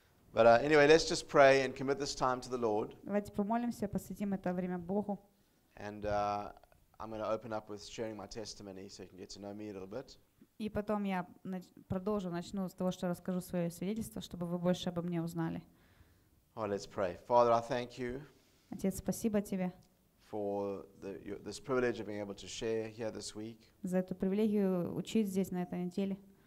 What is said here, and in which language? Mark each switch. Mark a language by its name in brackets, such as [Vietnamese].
[English] But anyway, let's just pray and commit this time to the Lord. [Russian] Давайте помолимся, посвятим это время Богу. [English] And I'm going to open up with sharing my testimony, so you can get to know me a little bit. [Russian] И потом я продолжу, начну с того, что расскажу свое свидетельство, чтобы вы больше обо мне узнали. [English] Oh, let's pray. Father, I thank you. [Russian] Отец, спасибо тебе. [English] For this privilege of being able to share here this week. [Russian] За эту привилегию учить здесь на этой неделе.